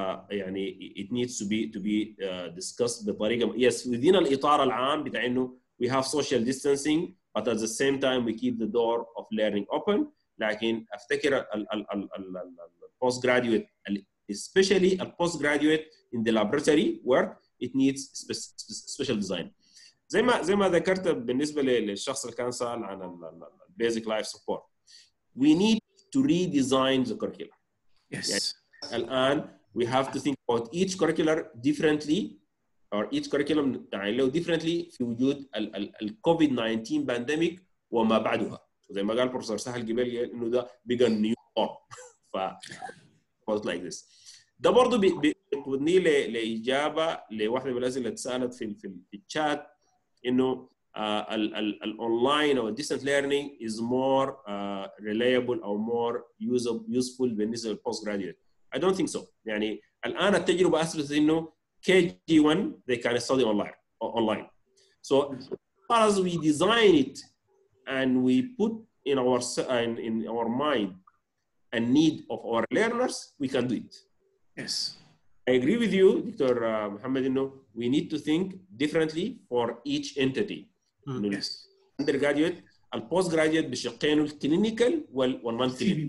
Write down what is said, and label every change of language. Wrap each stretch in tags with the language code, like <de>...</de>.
<en>يعني it needs to be discussed بطريقة yes within</en> <ar>الإطار العام بتاع إنه</ar> <en>we have social distancing but at the same time we keep the door of learning open.</en> <ar>لكن أفتكر</ar> <en>ال postgraduate especially a postgraduate in the laboratory work it needs special design.</en> <ar>زي ما ذكرت بالنسبة للشخص اللي كان سأل عن ال</ar> <en>basic life support we need to redesign the curriculum. Yes. يعني الآن we have to think about each curriculum differently or each curriculum تعلمه differently في وجود ال COVID-19 pandemic</en> <ar>وما بعدها. زي ما قال البروفيسور سهل قبل إنه ده بيجا نيو نورم.</ar> <en>ف what like this.</en> <ar>ده برضو بيقودني لإجابة لواحدة من الأسئلة اللي اتسألت في الشات إنه ال online أو distant learning</ar> <en>is more reliable or more useful</en> <ar>بالنسبة للpostgraduate.</ar> <en>I don't think so.</en> <ar>يعني الآن التجربة أثبتت إنه KG1</ar> <en>they can study online. So as we design it and we put in our mind a need of our learners, we can do it. Yes. I agree with you, Dr. Muhammad, you know, we need to think differently for each entity. Yes. Undergraduate, and postgraduate,</en> <ar>بشقين الكلينيكال والمنطلين.</ar>